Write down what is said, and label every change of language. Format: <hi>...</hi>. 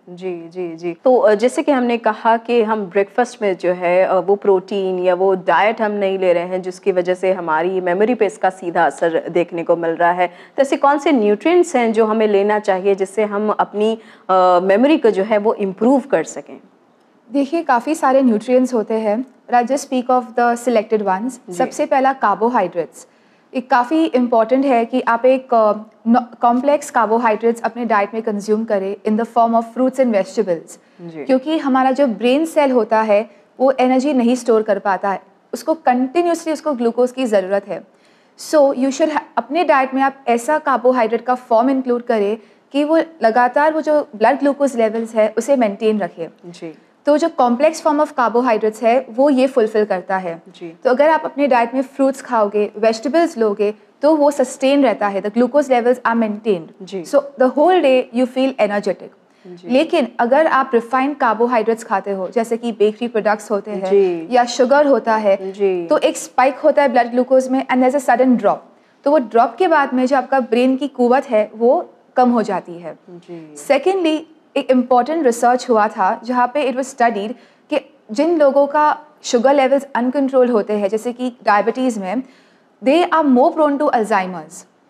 <ur>جی جی جی, تو جیسے کہ ہم نے کہا کہ ہم بریکفسٹ میں جو ہے وہ پروٹین یا وہ ڈائٹ ہم نہیں لے رہے ہیں, جس کی وجہ سے ہماری میموری پہ اس کا سیدھا اثر دیکھنے کو مل رہا ہے, تو ایسے کون سے نیوٹرینٹس ہیں جو ہمیں لینا چاہیے جس سے ہم اپنی میموری کو جو ہے وہ امپروو کر سکیں؟ دیکھیے, کافی سارے نیوٹرینٹس ہوتے ہیں, but I just speak of the selected ones. سب سے پہلا کاربوہائیڈریٹس, ایک کافی امپورٹنٹ ہے کہ آپ ایک کمپلیکس کاربوہائیڈریٹس اپنے ڈائٹ میں کنزیوم کریں ان the form of fruits and vegetables. کیونکہ ہمارا جو برین سیل ہوتا ہے وہ انرجی نہیں اسٹور کر پاتا ہے, اس کو کنٹینیوسلی اس کو گلوکوز کی ضرورت ہے. سو یو شوڈ اپنے ڈائٹ میں آپ ایسا کاربوہائیڈریٹ کا فارم انکلوڈ کریں کہ وہ لگاتار وہ جو بلڈ گلوکوز لیولس ہے اسے مینٹین رکھے. جی, تو جو کمپلیکس فارم آف کاربوہائیڈریٹس ہے وہ یہ فلفل کرتا ہے. جی, تو اگر آپ اپنے ڈائٹ میں فروٹس کھاؤ گے, ویجیٹیبلس لو گے, تو وہ سسٹین رہتا ہے, the glucose levels are maintained. جی,</ur> <en>So the whole day you feel energetic.</en> <ur>لیکن اگر آپ ریفائنڈ کاربوہائیڈریٹس کھاتے ہو, جیسے کہ بیکری پروڈکٹس ہوتے ہیں یا شوگر ہوتا ہے, تو ایک اسپائک ہوتا ہے بلڈ گلوکوز میں and there is a sudden drop, تو وہ ڈراپ کے بعد میں جو آپ کا برین کی قوت ہے وہ کم ہو جاتی ہے. سیکنڈلی, ایک امپورٹنٹ ریسرچ ہوا تھا جہاں پہ اٹ واز اسٹڈیڈ کہ جن لوگوں کا شوگر لیولز انکنٹرول ہوتے ہیں, جیسے کہ ڈائبٹیز میں, they are more prone to Alzheimer's.</ur>